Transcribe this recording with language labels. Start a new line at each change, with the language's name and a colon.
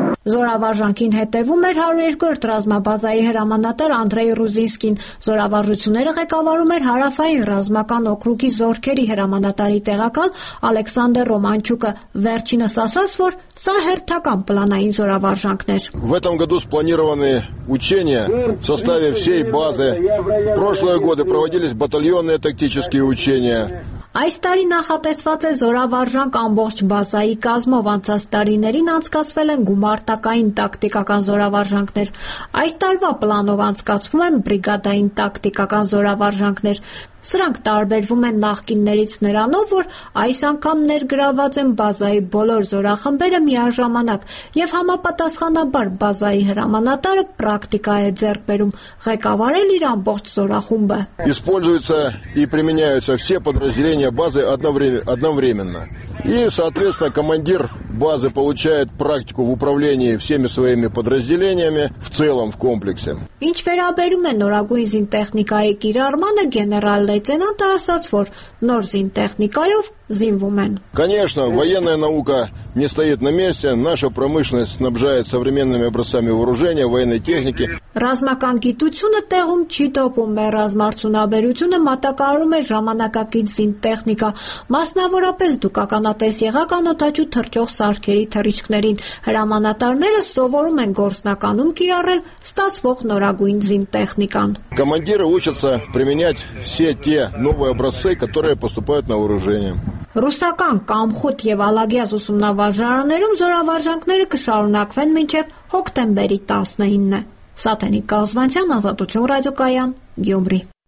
Armenian: Զորավարժանքին հետևում էր 102-րդ ռազմաբազայի հրամանատար Անդրեյ Ռուզինսկին, զորավարժությունները ղեկավարում էր հարավային ռազմական օկրուգի զորքերի հրամանատարի տեղակալ Ալեքսանդր Ռոմանչուկը, վերջինս ասաց, որ սա հերթական պլանային զորավարժանքներ։
Russian: В этом году спланированы учения в составе всей базы. Прошлые годы проводились батальонные тактические учения.
Armenian: Այս տարի նախատեսված է զորավարժանք ամբողջ բազայի կազմով, անցած տարիներին անցկացվել են գումարտակային տակտիկական զորավարժանքներ։ Այս տարվա պլանով անցկացվում են բրիգադային տակտիկական զորավարժանքներ։ Սրանք տարբերվում են նախկիններից նրանով, որ այս անգամ ներգրաված են բազայի բոլոր զորախմբերը միաժամանակ, և համապատասխանաբար բազայի հրամանատարը պրակտիկա է ձեռք բերում ղեկավարել իր ամբողջ զորախումբը։
Russian: Используются и применяются все подразделения базы одновременно. И, соответственно, командир базы получает практику в управлении всеми своими подразделениями в целом в комплексе.
Armenian: Ինչ վերաբերում է նորագույն զինտեխնիկայի կիրառմանը, գեներալ-լեյտենանտը ասաց, որ նոր զինտեխնիկայով զինվում են։
Russian: Конечно, военная наука не стоит на месте. Наша промышленность снабжает современными образцами вооружения, военной техники.
Armenian: Ռազմական գիտությունը տեղում չի տոպում, մեր ռազմարդյունաբերությունը մատակարարում է ժամանակակից զինտեխնիկա, մասնավորապես դուկականատես եղակ անօթաչու թռչող սարքերի թռիչքներին։ Հրամանատարները սովորում են գործնականում կիրառել ստացվող նորագույն զինտեխնիկան։
Russian: Командиры учатся применять все те новые образцы, которые поступают на вооружение.
Armenian: Ռուսական Կամխուտ և Ալագյազ ուսումնավարժարաններում զորավարժանքները կշարունակվեն մինչև հոկտեմբերի 19-ը։ Սաթենիկ Կազմանցյան, Ազատություն ռադիոկայան, Գյումրի։